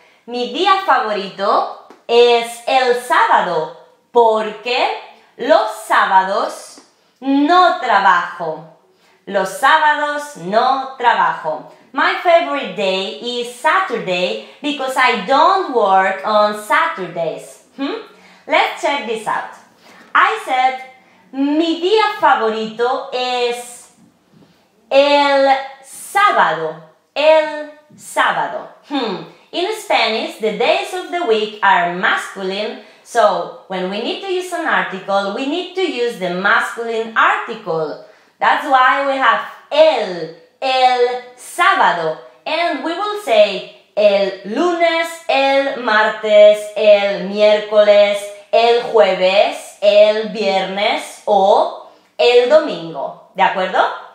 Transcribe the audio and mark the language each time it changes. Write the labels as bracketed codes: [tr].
[es] Mi día favorito es el sábado porque los sábados no trabajo. Los sábados no trabajo. [en] My favorite day is Saturday because I don't work on Saturdays. Let's check this out. I said, [es] mi día favorito es el sábado. El sábado. [en] In Spanish, the days of the week are masculine, so when we need to use an article, we need to use the masculine article. That's why we have el sábado. And we will say [es] el lunes, el martes, el miércoles, el jueves, el viernes o el domingo. ¿De acuerdo?